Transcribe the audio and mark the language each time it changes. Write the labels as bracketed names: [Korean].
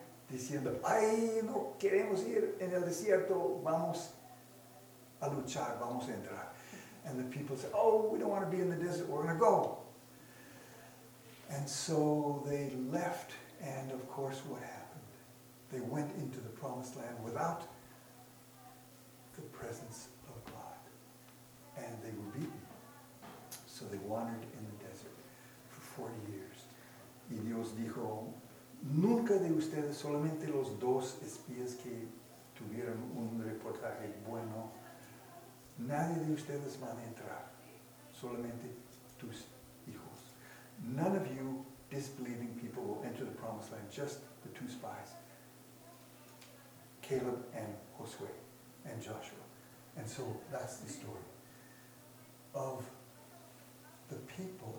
[Spanish] Diciendo, ay, no queremos ir en el desierto, vamos a luchar, vamos a entrar. [English] And the people said, oh, we don't want to be in the desert, we're going to go. And so they left And of course, what happened? They went into the promised land without the presence of God. And they were beaten. So they wandered in the desert for 40 years. [Spanish] Y Dios dijo, nunca de ustedes, solamente los dos espías que tuvieron un reportaje bueno, nadie de ustedes van a entrar, solamente tus hijos. [English] None of you disbelieving people will enter the promised land, just the two spies, Caleb and Josué and Joshua. And so that's the story of the people.